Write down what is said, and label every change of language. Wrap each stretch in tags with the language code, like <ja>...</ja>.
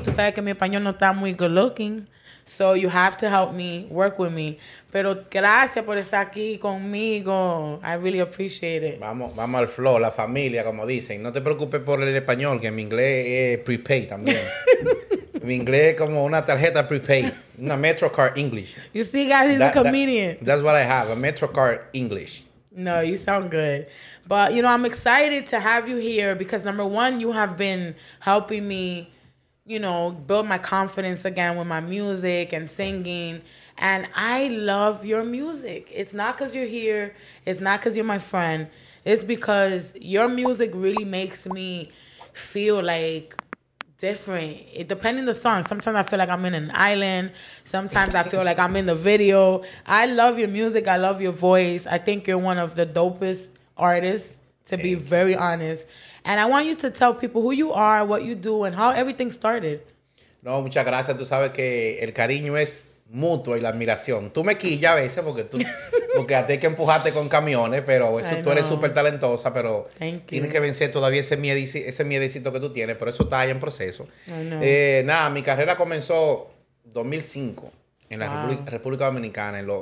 <es>Tú sabes que mi español no está muy</es> <en>good looking. So you have to help me, work with me.</en> <es>Pero gracias por estar aquí conmigo.</es> <en>I really appreciate it.</en> <es>Vamos al flow, la familia, como dicen. No te preocupes por el español, que mi inglés es prepaid también. Mi inglés es como una tarjeta prepaid. Una MetroCard English.</es> <en>You see, guys, he's a comedian. That's what I have, a MetroCard English. No, you sound good. But, you know, I'm excited to have you here because, number one, you have been helping me, you know, build my confidence again with my music and singing. And I love your music. It's not because you're here. It's not because you're my friend. It's because your music really makes me feel like different. It depending on the song. Sometimes I feel like I'm in an island. Sometimes I feel like I'm in the video. I love your music. I love your voice. I think you're one of the dopest artists, to be very honest. And I want you to tell people who you are, what you do, and how everything started.</en> <es>No, muchas gracias. Tú sabes que el cariño es mutuo y la admiración. Tú me quillas a veces porque a ti hay que empujarte con camiones, pero eso, tú eres súper talentosa, pero tienes que vencer todavía ese miedecito que tú tienes, pero eso está ahí en proceso. Nada, mi carrera comenzó 2005 en la República Dominicana.</es>